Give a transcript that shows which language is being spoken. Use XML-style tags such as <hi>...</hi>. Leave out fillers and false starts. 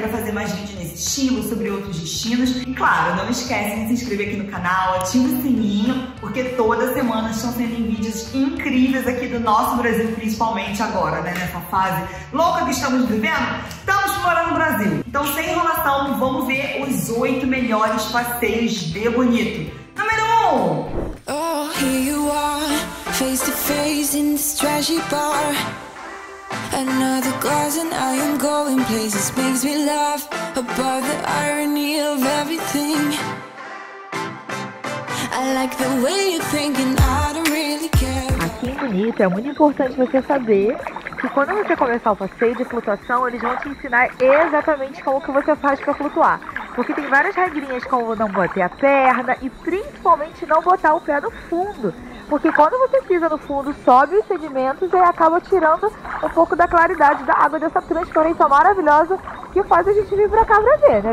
<pt>Dá pra fazer mais vídeo nesse estilo, sobre outros destinos. E claro, não esquece de se inscrever aqui no canal, ativa o sininho, porque toda semana estão sendo vídeos incríveis aqui do nosso Brasil, principalmente agora, né? Nessa fase louca que estamos vivendo, estamos explorando o Brasil. Então, sem enrolação, vamos ver os 8 melhores passeios de Bonito. Número 1!</pt> <en>Oh, here you are. Face to face in this trashy bar. Another glass and I am going places. Makes me laugh above the irony of everything. I like the way you're thinking, I don't really care.</en> <pt>Aqui em Bonito é muito importante você saber que quando você começar o passeio de flutuação, eles vão te ensinar exatamente como que você faz para flutuar. Porque tem várias regrinhas como não bater a perna e principalmente não botar o pé no fundo. Porque quando você pisa no fundo, sobe os sedimentos e acaba tirando um pouco da claridade da água dessa transparência maravilhosa que faz a gente vir pra cá pra ver, né?</pt>